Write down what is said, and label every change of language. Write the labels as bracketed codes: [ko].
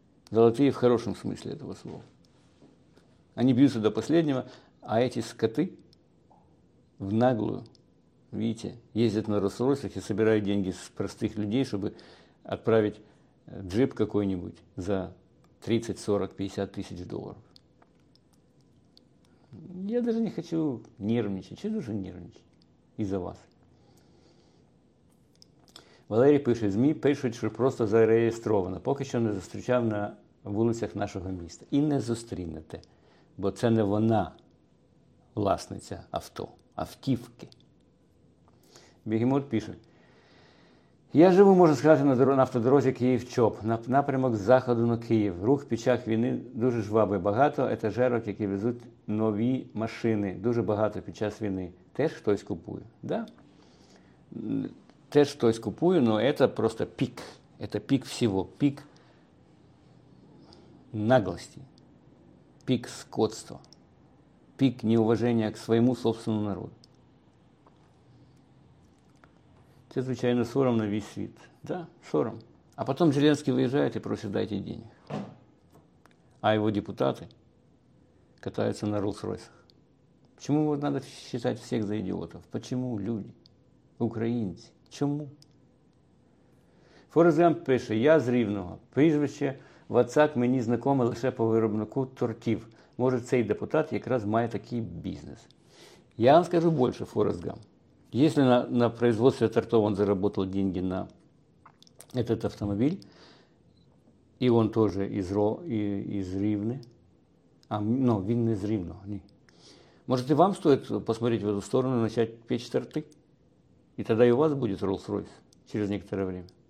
[ru] Золотые в хорошем смысле этого слова. Они бьются до последнего, а эти скоты в наглую, видите, ездят на Rolls-Royce и собирают деньги с простых людей, чтобы отправить джип какой-нибудь за 30, 40, 50 тысяч долларов. Я даже не хочу нервничать. Чего же нервничать из-за вас? [uk] Валерій пише, ЗМІ пишуть, що просто зареєстровано. Поки що не зустрічав на вулицях нашого міста. І не зустрінете, бо це не вона власниця авто, автівки. Бігемот пише, я живу, можна сказати, на автодорозі Київ-Чоп, на напрямок з заходу на Київ. Рух під час війни дуже жвавий. Багато етажерок, які везуть нові машини. Дуже багато під час війни. Теж хтось купує. Да? Теж хтось купує, але це просто пік. Це пік всього. Пік наглості. Пік скотства. Пік неуваження к своєму собственному народу. Це, звичайно, сором на весь світ. Да, сором. А потім Зеленський виїжджає і просить, дайте гроші. А його депутати катаються на Rolls-Royce'ах. Чому треба вважати всіх за ідіотів? Чому люди? Українці? Чому? Forrest Gump пише, я з Рівного. Прізвище Вацак мені знакоме лише по виробнику тортів. Може, цей депутат якраз має такий бізнес. Я вам скажу більше, [ru] Forrest Gump. Если на производстве тортов он заработал деньги на этот автомобиль, и он тоже из Рівни, но он не из Рівного, нет. Может, и вам стоит посмотреть в эту сторону, начать печь торты? И тогда и у вас будет Rolls-Royce через некоторое время.